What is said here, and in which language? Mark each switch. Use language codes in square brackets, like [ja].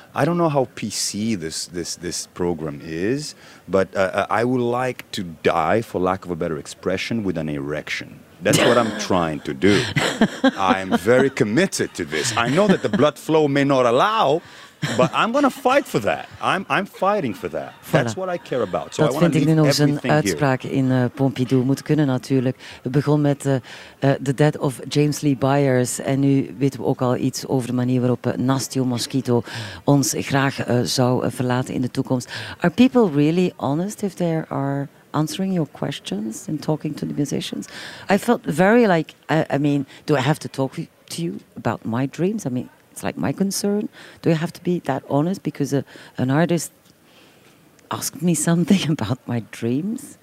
[en] I don't know how PC this program is, but I would like to die, for lack of a better expression, with an erection. That's what I'm trying to do. I'm very committed to this. I know that the blood flow may not allow, but I'm going to fight for that. I'm fighting for that. [fr] Voilà. [en] That's what I care about. So [nl] dat [en] I want to leave [nl] nu [en] everything [nl] een uitspraak [en] here. [nl] In Pompidou moet kunnen natuurlijk. Het begon met The Death of James Lee Byers. En nu weten we ook al iets over de manier waarop Nastio Mosquito ons graag zou verlaten in de toekomst. [en] Are people really honest if there are answering your questions and talking to the musicians? I felt very like, I mean, do I have to talk to you about my dreams? I mean, it's like my concern. Do I have to be that honest because an artist asked me something about my dreams?